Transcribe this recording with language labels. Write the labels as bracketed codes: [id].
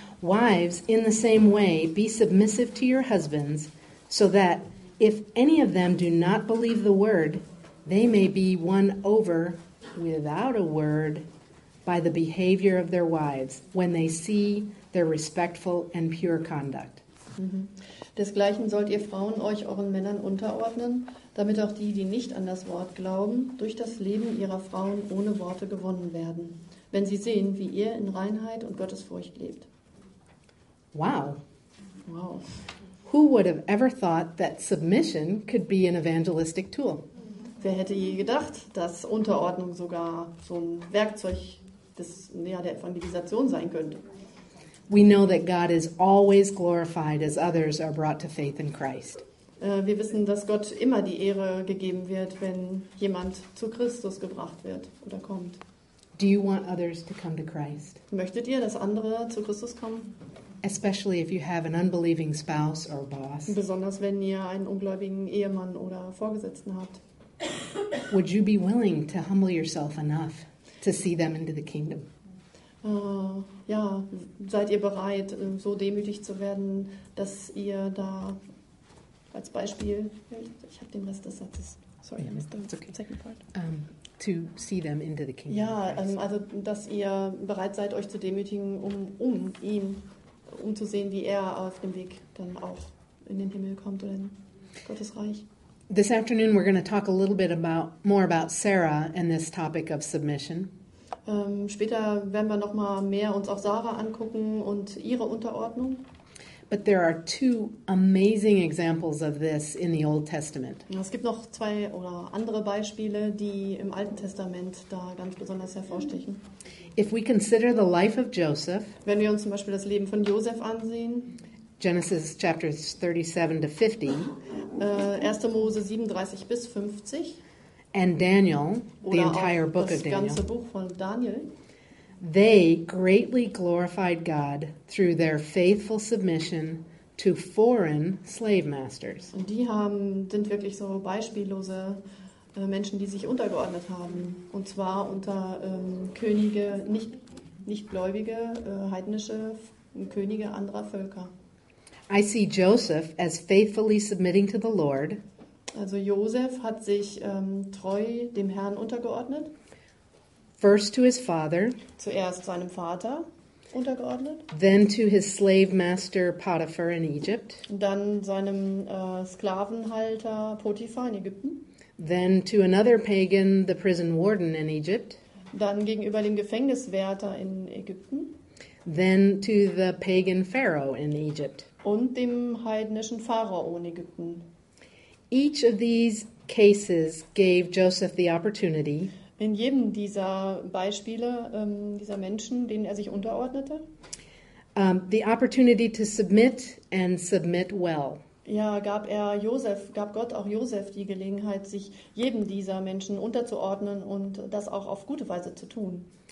[en] Wives, in the same way, be submissive to your husbands, so that if any of them do not believe the word, they may be won over without a word by the behavior of their wives, when they see their respectful and pure conduct. Mm-hmm. [de] Desgleichen sollt ihr Frauen euch euren Männern unterordnen, damit auch die, die nicht an das Wort glauben, durch das Leben ihrer Frauen ohne Worte gewonnen werden, wenn sie sehen, wie ihr in Reinheit und Gottesfurcht lebt. [en] Wow. Wow. Who would have ever thought that submission could be an evangelistic tool? [de] Wer hätte je gedacht, dass Unterordnung sogar so ein Werkzeug des, ja, der Evangelisation sein könnte? [en] We know that God is always glorified as others are brought to faith in Christ. [de] Wir wissen, dass Gott immer die Ehre gegeben wird, wenn jemand zu Christus gebracht wird oder kommt. [en] Do you want others to come to Christ? [de] Möchtet ihr, dass andere zu Christus kommen? [en] Especially if you have an unbelieving spouse or boss. [de] Besonders wenn ihr einen ungläubigen Ehemann oder Vorgesetzten habt. [en] Would you be willing to humble yourself enough to see them into the kingdom? [de] Ja, seid ihr bereit, so demütig zu werden, dass ihr da als Beispiel, ich habe den Rest des Satzes. [en] Sorry, I missed the second part. To see them into the kingdom. [de] Ja, also dass ihr bereit seid, euch zu demütigen, um ihn, um zu sehen, wie er auf dem Weg dann auch in den Himmel kommt oder in Gottes Reich. [en] This afternoon we're going to talk a little bit about more about Sarah and this topic of submission. [de] Später werden wir noch mal mehr uns auch Sarah angucken und ihre Unterordnung. [en] But there are two amazing examples of this in the Old Testament. [de] Es gibt noch zwei oder andere Beispiele, die im Alten Testament da ganz besonders hervorstechen. [en] If we consider the life of Joseph, [de] wenn wir uns zum Beispiel das Leben von Joseph ansehen, [en] Genesis chapters 37 to 50, [de] 1. Mose 37 bis 50, [en] and Daniel, the entire book of Daniel, [de] das ganze Buch von Daniel. [en] They greatly glorified God through their faithful submission to foreign slave masters. [de] Und die sind wirklich so beispiellose Menschen, die sich untergeordnet haben. Und zwar unter Könige, nichtgläubige, heidnische Könige anderer Völker. [en] I see Joseph as faithfully submitting to the Lord. [de] Also Joseph hat sich treu dem Herrn untergeordnet. [en] First to his father, [de] zuerst seinem Vater untergeordnet, [en] then to his slave master Potiphar in Egypt, [de] dann seinem Sklavenhalter Potiphar in Ägypten, [en] then to another pagan, the prison warden in Egypt, [de] dann gegenüber dem Gefängniswärter in Ägypten, [en] then to the pagan Pharaoh in Egypt, [de] und dem heidnischen Pharao in Ägypten. [en] Each of these cases gave Joseph the opportunity. [de] In jedem dieser Beispiele dieser Menschen, denen er sich unterordnete, [en] The opportunity to submit and submit well. [de] Ja, gab Gott auch Josef die Gelegenheit, sich jedem dieser Menschen unterzuordnen und das auch auf gute Weise zu tun.